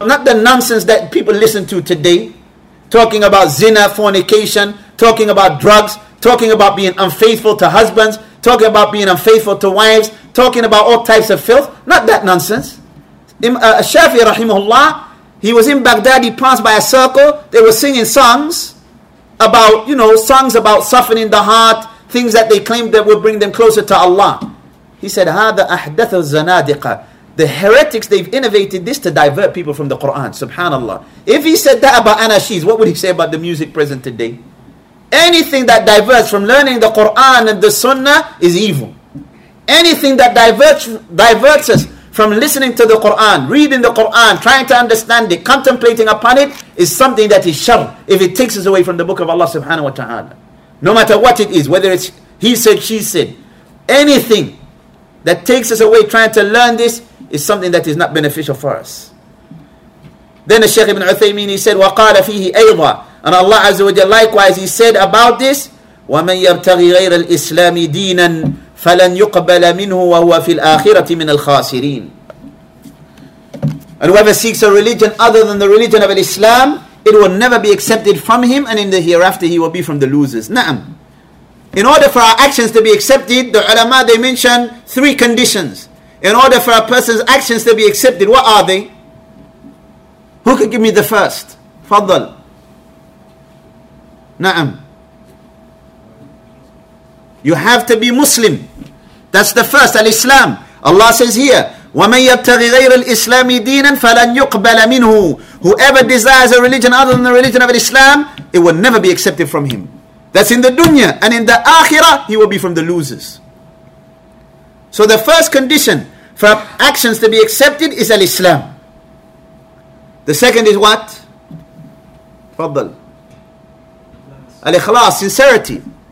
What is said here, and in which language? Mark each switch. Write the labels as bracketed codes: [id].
[en] Not the nonsense that people listen to today, talking about zina, fornication, talking about drugs, talking about being unfaithful to husbands, talking about being unfaithful to wives, talking about all types of filth. Not that nonsense. Shafi'i rahimahullah, he was in Baghdad, he passed by a circle, they were singing songs about, you know, songs about softening the heart, things that they claimed that would bring them closer to Allah. He said, [ar] هَذَا أَحْدَثُ الزَّنَادِقَ. [en] The heretics, they've innovated this to divert people from the Quran. Subhanallah. If he said that about anashis, what would he say about the music present today? Anything that diverts from learning the Quran and the Sunnah is evil. Anything that diverts us from listening to the Quran, reading the Quran, trying to understand it, contemplating upon it, is something that is sharr if it takes us away from the book of Allah subhanahu wa ta'ala. No matter what it is, whether it's he said, she said, anything that takes us away trying to learn this is something that is not beneficial for us. Then the Shaykh Ibn Uthaymeen, he said, [ar] وَقَالَ فِيهِ أَيْضًا. [en] And Allah Azza wa Jalla, likewise, he said about this, [ar] وَمَنْ يَبْتَغِي غَيْرَ الْإِسْلَامِ دِينًا فَلَنْ يُقْبَلَ مِنْهُ وَهُوَ فِي الْآخِرَةِ مِنَ الْخَاسِرِينَ. [en] And whoever seeks a religion other than the religion of Islam, it will never be accepted from him, and in the hereafter he will be from the losers. Na'am. In order for our actions to be accepted, the ulama, they mention three conditions. In order for a person's actions to be accepted, what are they? Who could give me the first? Fadl. Na'am. You have to be Muslim. That's the first, al-Islam. Allah says here, [ar] وَمَنْ يَبْتَغِ غَيْرَ الْإِسْلَامِ دِينًا فَلَنْ يُقْبَلَ مِنْهُ. [en] Whoever desires a religion other than the religion of Islam, it will never be accepted from him. That's in the dunya. And in the akhirah, he will be from the losers. So the first condition for actions to be accepted is al-Islam. The second is what? Fadl. Al-Ikhlas, sincerity.